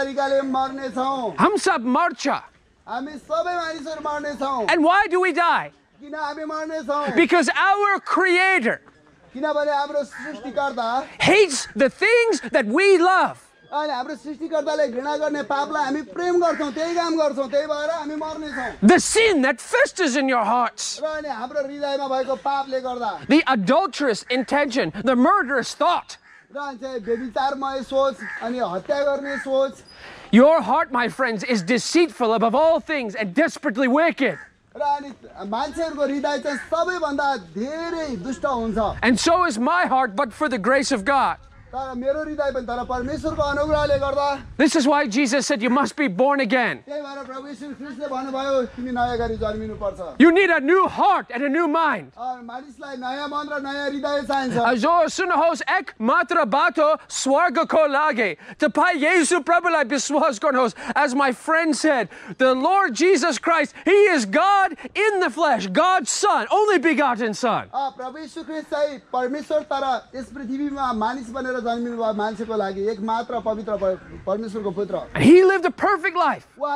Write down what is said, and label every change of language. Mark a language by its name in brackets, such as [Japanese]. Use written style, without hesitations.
[Nepali] Hum sab marcha. [English] And why do we die? Because our Creator hates the things that we love. [Nepali] अनि हाम्रो सृष्टिकर्ताले घृणा गर्ने पापलाई हामी प्रेम गर्छौँ त्यही काम गर्छौँ त्यही भएर हामी मर्नेछौँ. [English] The sin that festers in your hearts. [Nepali] र अनि हाम्रो हृदयमा भएको पापले गर्दा. [English] The adulterous intention, the murderous thought. [Nepali] र अनि व्यभिचारमय सोच अनि हत्या गर्ने सोच. [English] Your heart, my friends, is deceitful above all things and desperately wicked. [Nepali] र अनि मान्छेहरूको हृदय चाहिँ सबैभन्दा धेरै दुष्ट हुन्छ. [English] And so is my heart, but for the grace of God. [Nepali] तर मेरो हृदय पनि तर परमेश्वरको अनुग्रहले गर्दा. [English] This is why Jesus said you must be born again. [Nepali] त्यही भएर प्रभु यीशु ख्रीष्टले भन्नुभयो तिमी नयाँ गरी जन्मिनु पर्छ. [English] You need a new heart and a new mind. [Nepali] मानिसलाई नयाँ मन र नयाँ हृदय चाहिन्छ. जो सुन्नुहोस् एक मात्र बाटो स्वर्गको लागि तपाईँ येशु प्रभुलाई विश्वास गर्नुहोस्. [English] As my friend said, the Lord Jesus Christ, he is God in the flesh, God's son, only begotten son. [Nepali] प्रभु यीशु ख्रीष्ट चाहिँ परमेश्वर तर यस पृथ्वीमा मानिस बनेर [English] He lived a perfect life.